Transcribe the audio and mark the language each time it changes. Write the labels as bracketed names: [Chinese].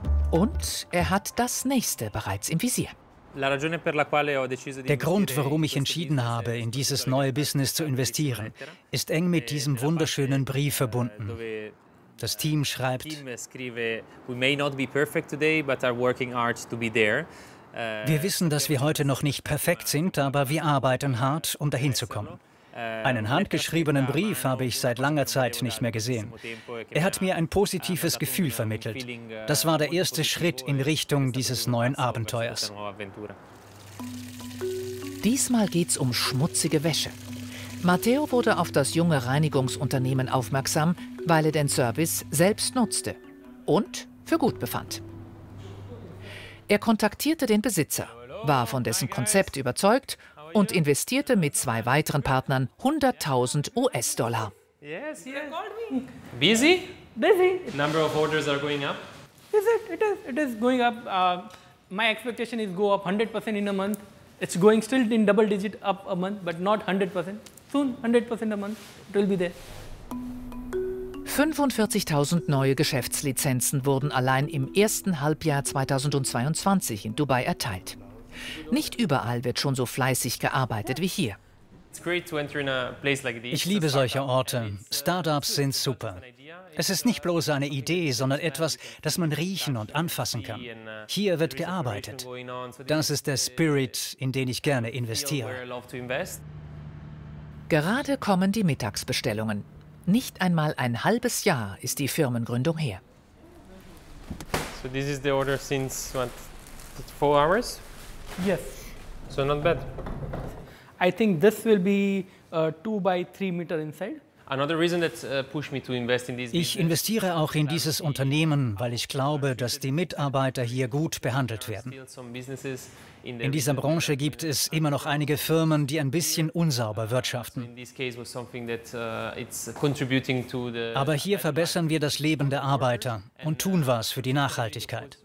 [German] Und er hat das nächste bereits im Visier. Der Grund, warum ich entschieden habe, in dieses neue Business zu investieren, ist eng mit diesem wunderschönen Brief verbunden. Das Team schreibt: [English] We may not be perfect today, but are working hard to be there. [German] Wir wissen, dass wir heute noch nicht perfekt sind, aber wir arbeiten hart, um dahin zu kommen. Einen handgeschriebenen Brief habe ich seit langer Zeit nicht mehr gesehen. Er hat mir ein positives Gefühl vermittelt. Das war der erste Schritt in Richtung dieses neuen Abenteuers. Diesmal geht's um schmutzige Wäsche. Matteo wurde auf das junge Reinigungsunternehmen aufmerksam, weil er den Service selbst nutzte und für gut befand. Er kontaktierte den Besitzer, war von dessen Konzept überzeugt und investierte mit zwei weiteren Partnern 100.000 US-Dollar. [English] Yes, yes. Busy? Busy. Number of orders are going up. Is it? It is going up. My expectation is go up 100% in a month. It's going still in double digit up a month, but not 100%. Soon 100% a month, it will be there. [German] 45.000 neue Geschäftslizenzen wurden allein im ersten Halbjahr 2022 in Dubai erteilt. Nicht überall wird schon so fleißig gearbeitet wie hier. Ich liebe solche Orte. Startups sind super. Es ist nicht bloß eine Idee, sondern etwas, das man riechen und anfassen kann. Hier wird gearbeitet. Das ist der Spirit, in den ich gerne investiere. Gerade kommen die Mittagsbestellungen. Nicht einmal ein halbes Jahr ist die Firmengründung her. [English] So this is the order since what, 4 hours? Yes. So not bad. I think this will be 2 by 3 meter inside. Another reason that pushed me to invest in this. [German] Ich investiere auch in dieses Unternehmen, weil ich glaube, dass die Mitarbeiter hier gut behandelt werden. In dieser Branche gibt es immer noch einige Firmen, die ein bisschen unsauber wirtschaften. Aber hier verbessern wir das Leben der Arbeiter und tun was für die Nachhaltigkeit.